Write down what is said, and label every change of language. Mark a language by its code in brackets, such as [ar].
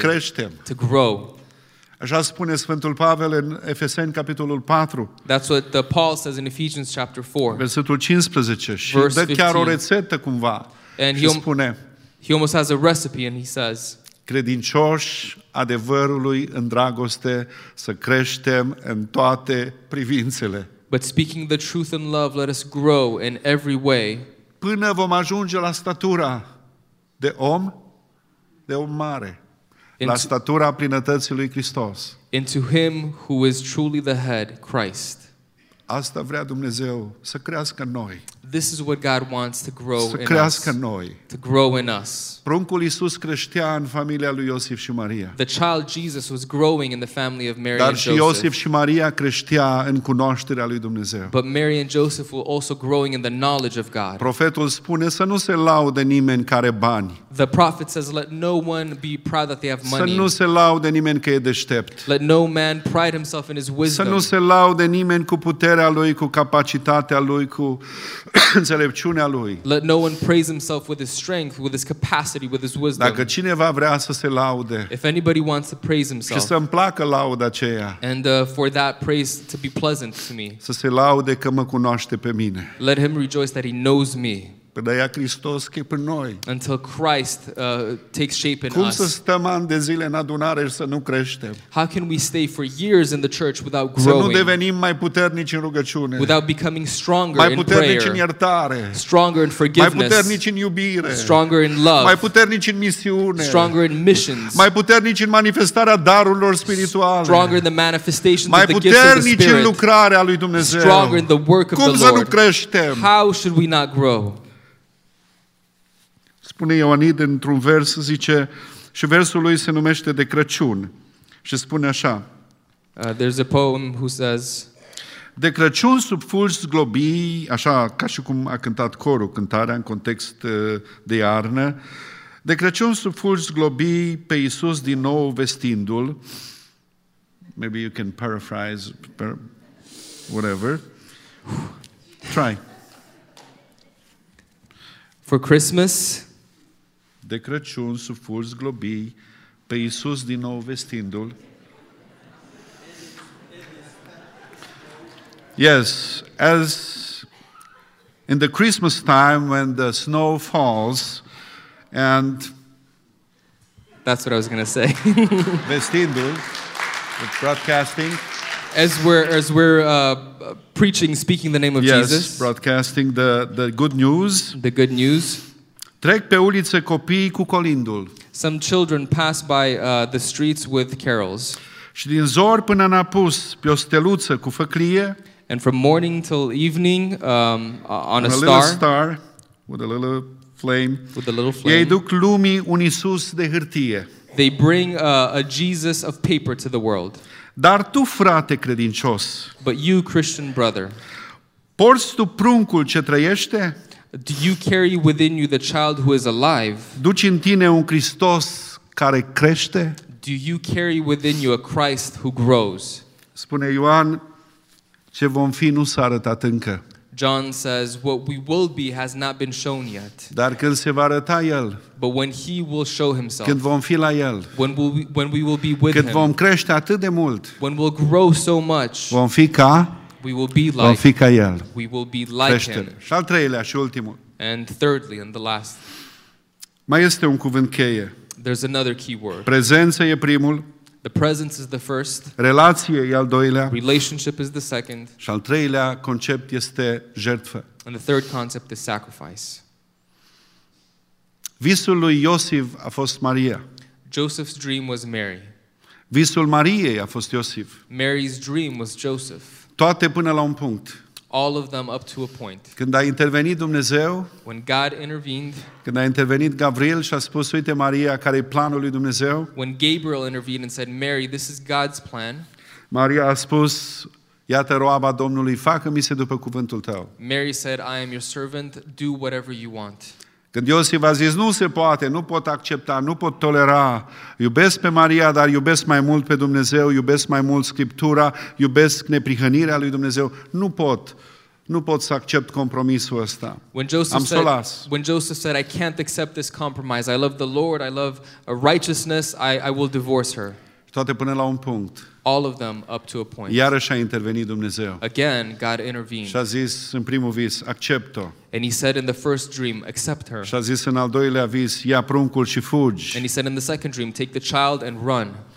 [ro] Să creștem. [en] To grow. [ro] Așa spune Sfântul Pavel în Efeseni capitolul 4. [en] That's what the Paul says in Ephesians chapter 4. [ro] Versetul 15 și dă [en] 15. [ro] Chiar o rețetă cumva. [en] And [ro] și spune [en] he almost has a recipe and he says [ro] credincioși adevărului în dragoste să creștem în toate privințele. [en] But speaking the truth in love let us grow in every way. [ro] Până vom ajunge la statura de om mare. La statura plinătății lui Hristos. [en] Into him who is truly the head, Christ. [ro] Asta vrea Dumnezeu să crească în noi. [en] This is what God wants to grow in us. [ro] Să crească în noi. [en] To grow in us. [ro] Pruncul Iisus creștea în familia lui Iosif și Maria. [en] The child Jesus was growing in the family of Mary [ro] Dar [en] and Joseph. [ro] Dar și Iosif și Maria creștea în cunoașterea lui Dumnezeu. [en] But Mary and Joseph were also growing in the knowledge of God. [ro] Profetul spune să nu se laude nimeni care bani. [en] The prophet says let no one be proud that they have money. [ro] Să nu se laude nimeni că e deștept. [en] Let no man pride himself in his wisdom. [ro] Să nu se laude nimeni cu puterea lui, cu capacitatea lui, cu înțelepciunea lui. [en] Let no one praise himself with his strength, with his capacity, with his wisdom. [ro] Dacă cineva vrea să se laude. [en] If anybody wants to praise himself. [ro] Și să-mi placă lauda aceea. [en] And for that praise to be pleasant to me. [ro] Să se laude că mă cunoaște pe mine. [en] Let him rejoice that he knows me. [ro] Până Hristos că e pe noi. [en] Until Christ takes shape in [ro] Cum [en] us. [ro] Cum să stăm ani de zile în adunare și să nu creștem? [en] How can we stay for years in the church without growing? [ro] Să nu devenim mai puternici în rugăciune. [en] Without becoming stronger [ro] mai [en] in prayer. [ro] Mai puternici în iertare. [en] Stronger in forgiveness. [ro] Mai puternici în iubire. [en] Stronger in love. [ro] Mai puternici în misiune. [en] Stronger in missions. [ro] Mai puternici în manifestarea darurilor spirituale. [en] Stronger in the manifestations [ro] mai [en] of the gifts of the Spirit. [ro] Mai puternici în lucrarea lui Dumnezeu. [en] Stronger in the work of [ro] Cum [en] the [ro] să [en] Lord. [ro] Nu creștem? [en] How should we not grow? [ro] Spune Ioanid într-un vers, zice, și versul lui se numește de Crăciun. Și spune așa. [en] There's a poem who says [ro] de Crăciun sub fulgi zglobii, așa ca și cum a cântat corul, cântarea în context de iarnă, de Crăciun sub fulgi zglobii pe Iisus din nou vestindu-l. [en] Maybe you can paraphrase, whatever. Try. For Christmas [ro] de Crăciun sub fulgi zglobii pe Iisus din nou vestindu-l. [en] Yes, as in the Christmas time when the snow falls and that's what I was going to say. Vestindu-l, with broadcasting as we're preaching speaking the name of yes, Jesus. Yes, broadcasting the good news. The good news. [ro] Trec pe ulițe copiii cu colindul. [en] Some children pass by the streets with carols. [ro] Și din zor până în apus, pe o steluță cu făclie. [en] And from morning till evening on a star. With a little flame. With a little flame. [ro] Ei duc lumii un Iisus de hârtie. [en] They bring a Jesus of paper to the world. [ro] Dar tu, frate credincios, [en] but you, Christian brother, [ro] porți tu pruncul ce trăiește? [en] Do you carry within you the child who is alive? [ro] Duci în tine un Hristos care crește? [en] Do you carry within you a Christ who grows? [ro] Spune Ioan, ce vom fi nu s-a arătat încă. [en] John says, what we will be has not been shown yet. [ro] Dar când se va arăta El, [en] but when he will show himself, [ro] când vom fi la El, [en] when we will be with him, [ro] când vom crește atât de mult, [en] when we'll grow so much, [ro] vom fi ca, [en] we will be like, [ro] vom fi ca El. [en] We will be like [ro] creștere. [en] Him. [ro] Și al treilea și ultimul. [en] And thirdly, and the last. [ro] Mai este un cuvânt cheie. [en] There's another key word. [ro] Prezența e primul. [en] The presence is the first. [ro] Relație e al doilea. [en] Relationship is the second. [ro] Și al treilea concept este jertfă. [en] And the third concept is sacrifice. [ro] Visul lui Iosif a fost Maria. [en] Joseph's dream was Mary. [ro] Visul Mariei a fost Iosif. [en] Mary's dream was Joseph. [ro] Toate până la un punct. [en] All of them up to a point. [ro] Când a intervenit Dumnezeu, [en] when God intervened, [ro] când a intervenit Gabriel și a spus, uite Maria, care e planul lui Dumnezeu, [en] when Gabriel intervened and said, Mary, this is God's plan, [ro] Maria a spus, iată roaba Domnului, facă-mi-se după cuvântul tău. [en] Mary said, I am your servant, do whatever you want. [ro] Când Iosif a zis, nu se poate, nu pot accepta, nu pot tolera, iubesc pe Maria, dar iubesc mai mult pe Dumnezeu, iubesc mai mult Scriptura, iubesc neprihănirea lui Dumnezeu, nu pot să accept compromisul ăsta. [en] When Joseph said, I can't accept this compromise, I love the Lord, I love righteousness, I will divorce her. [ro] Toate până la un punct. [en] All of them up to a point. [ro] Iarăși a intervenit Dumnezeu. [en] Again, God intervened. [ro] Și a zis în primul vis, accept-o. [en] And he said in the first dream, accept her. [ro] Și a zis în al doilea vis, ia pruncul și fugi. [en] And he said in the second dream, take the child and run.